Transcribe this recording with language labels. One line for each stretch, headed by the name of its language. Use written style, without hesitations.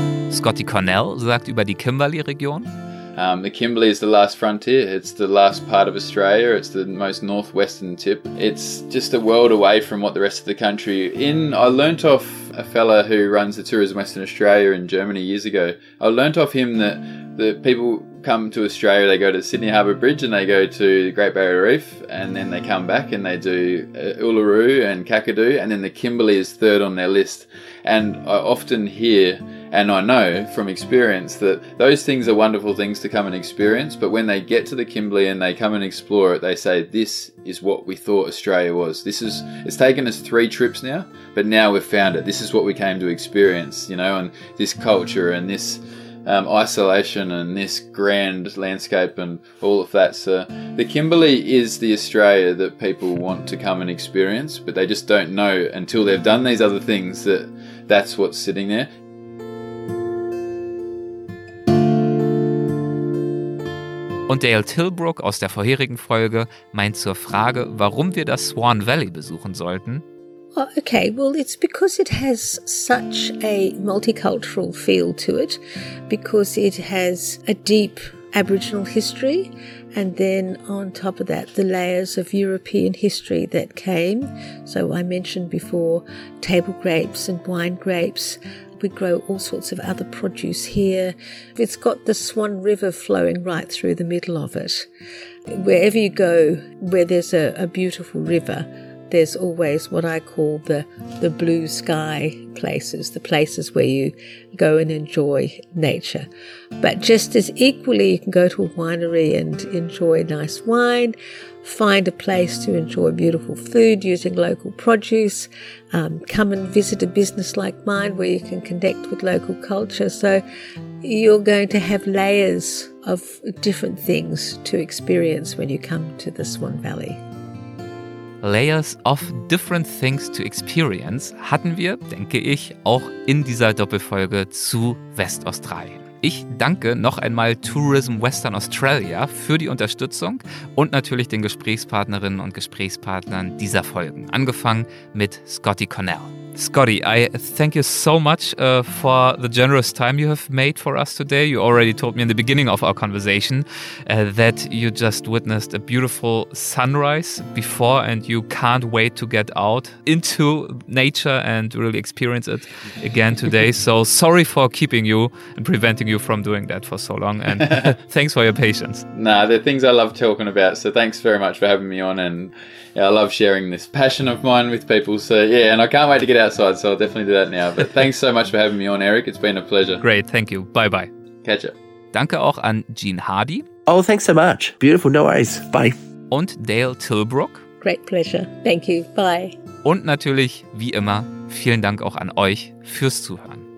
German: Scotty Cornell sagt über die Kimberley-Region:
English: The Kimberley is the last frontier. It's the last part of Australia. It's the most northwestern tip. It's just a world away from what the rest of the country in. I learnt off a fella who runs the Tourism Western Australia in Germany years ago. I learnt off him that the people come to Australia, they go to Sydney Harbour Bridge and they go to the Great Barrier Reef, and then they come back and they do Uluru and Kakadu, and then the Kimberley is third on their list. And I often hear, and I know from experience, that those things are wonderful things to come and experience, but when they get to the Kimberley and they come and explore it, they say, this is what we thought Australia was. This is, it's taken us three trips now, but now we've found it. This is what we came to experience, you know, and this culture and this isolation and this grand landscape and all of that. So the Kimberley is the Australia that people want to come and experience, but they just don't know until they've done these other things that that's what's sitting there.
German: Und Dale Tilbrook aus der vorherigen Folge meint zur Frage, warum wir das Swan Valley besuchen sollten.
English: Okay, well, it's because it has such a multicultural feel to it, because it has a deep Aboriginal history, and then on top of that, the layers of European history that came. So I mentioned before table grapes and wine grapes. We grow all sorts of other produce here. It's got the Swan River flowing right through the middle of it. Wherever you go, where there's a beautiful river, there's always what I call the blue sky places, the places where you go and enjoy nature. But just as equally, you can go to a winery and enjoy nice wine, find a place to enjoy beautiful food using local produce, come and visit a business like mine where you can connect with local culture. So you're going to have layers of different things to experience when you come to the Swan Valley. Layers of different things to experience
German: hatten wir, denke ich, auch in dieser Doppelfolge zu Westaustralien. Ich danke noch einmal Tourism Western Australia für die Unterstützung und natürlich den Gesprächspartnerinnen und Gesprächspartnern dieser Folgen, angefangen mit Scotty Cornell.
English: Scotty, I thank you so much for the generous time you have made for us today. You already told me in the beginning of our conversation that you just witnessed a beautiful sunrise before and you can't wait to get out into nature and really experience it again today. So sorry for keeping you and preventing you from doing that for so long. And thanks for your patience. Nah, they're things I love talking about. So thanks very much for having me on. And yeah, I love sharing this passion of mine with people. So yeah, and I can't wait to get outside, so I'll definitely do that now. But thanks so much for having me on, Eric. It's been a pleasure. Great, thank you. Bye bye. Catch ya.
German: Danke auch an Gene Hardy.
English: Oh, thanks so much. Beautiful, no worries. Bye.
German: Und Dale Tilbrook.
English: Great pleasure. Thank you. Bye.
German: Und natürlich, wie immer, vielen Dank auch an euch fürs Zuhören.